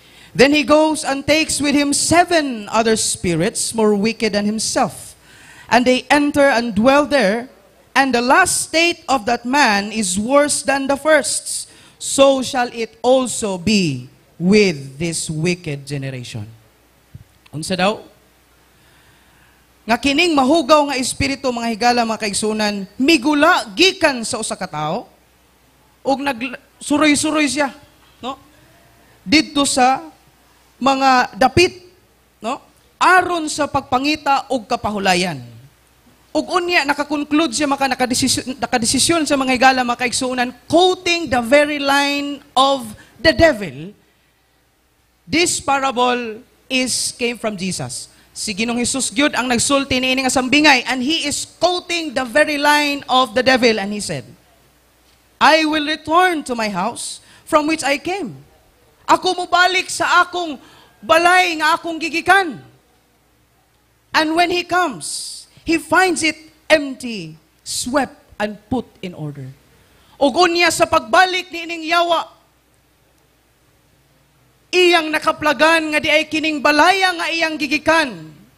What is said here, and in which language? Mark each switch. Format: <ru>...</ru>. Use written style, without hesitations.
<en>Then he goes and takes with him seven other spirits more wicked than himself, and they enter and dwell there. And the last state of that man is worse than the first. So shall it also be with this wicked generation.</en> <ceb>Unsa daw? Nga kining mahugaw nga espiritu mga higala, mga kaigsunan, migula gikan sa usa ka tawo ug nagsuroy-suroy siya, no? Didto sa mga dapit, no? Aron sa pagpangita ug kapahulayan. Ug unya nakakonclude siya maka nakadesisyon sa mga higala mga kaigsuunan,</ceb> <en>quoting the very line of the devil, this parable came from Jesus.</en> <ceb>si Ginoong Hesus gyud ang nagsulti niini nga sambingay,</ceb> <en>and he is quoting the very line of the devil, and he said, I will return to my house from which I came.</en> <ceb>Ako mobalik sa akong balay nga akong gigikan.</ceb> <en>And when he comes, he finds it empty, swept, and put in order.</en> <ceb>Ugunya sa pagbalik ni ining yawa, iyang nakaplagan nga di ay kining balaya nga iyang gigikan.</ceb>